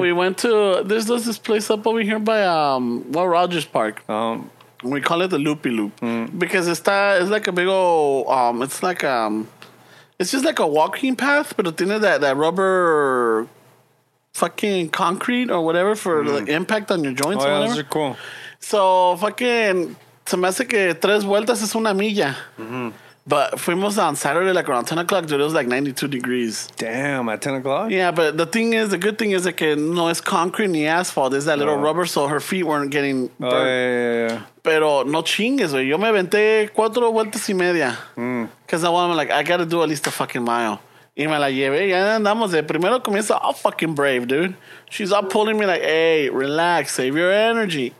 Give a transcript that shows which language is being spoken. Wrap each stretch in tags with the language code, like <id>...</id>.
<en>We went to this place up over here by Rogers Park. We call it the Loopy Loop. Mm. Because it's like a big old it's just like a walking path, but it's that rubber fucking concrete or whatever for the like, impact on your joints or whatever. Those are cool. So, fucking,</en> <es>se me hace que tres vueltas es una milla.</es> <en>Mm-hmm. But</en> <es>fuimos</es> <en>on Saturday, like, around 10 o'clock, dude, it was, like, 92 degrees. Damn, at 10 o'clock? Yeah, but the good thing is, like,</en> <es>no es</es> <en>concrete</en> <es>ni</es> <en>asphalt. It's that little rubber, so her feet weren't getting burnt. Oh, yeah.</en> <es>Pero no chingues, güey. Yo me aventé cuatro vueltas y media.</es> <en>Because I'm like, I gotta do at least a fucking mile.</en> <es>Y me la llevé. Ya andamos de primero comienzo.</es> <en>Oh, fucking brave, dude. She's up pulling me like, hey, relax, save your energy.</en>